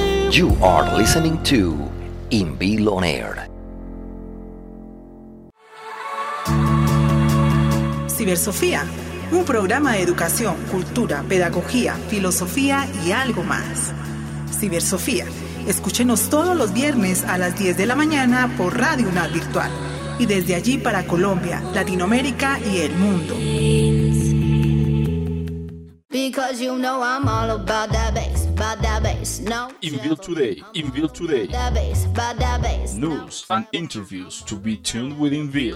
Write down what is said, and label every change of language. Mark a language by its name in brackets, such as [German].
[English] You are listening to In Bill On Air. [Spanish] Cibersofía, un programa de educación, cultura, pedagogía, filosofía y algo más. Cibersofía, escúchenos todos los viernes a las 10 de la mañana por Radio UNAD Virtual y desde allí para Colombia, Latinoamérica y el mundo. [English] Because you know I'm all about that bass, about that bass, no. In Bill Today. About that bass, news and interviews to be tuned with In Bill.